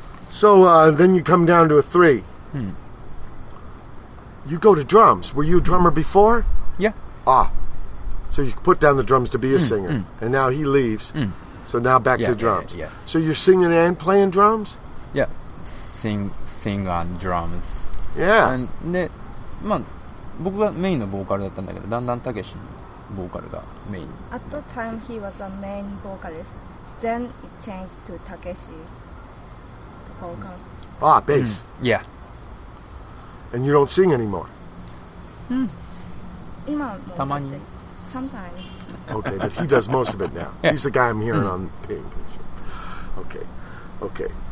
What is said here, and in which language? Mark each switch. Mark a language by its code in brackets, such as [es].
[en] So then you come down to a three. You go to drums. Were you a drummer before? Yeah. Ah. So you put down the drums to be a singer. And now he leaves. So now back to drums. Yes. So you're singing and playing drums? Yeah. Sing on drums. Yeah. [ja] And で、まあ、僕がメインのボーカルだったんだけど、だんだんたけしのボーカルがメイン。 [en] At the time he was a main vocalist. Then it changed to Takeshi. The vocal. Ah, bass. Yeah. And you don't sing anymore? Hmm. [ja] たまに。 [en] Sometimes. Okay, but he does most of it now. Yeah. He's the guy I'm hearing on Pink. Okay.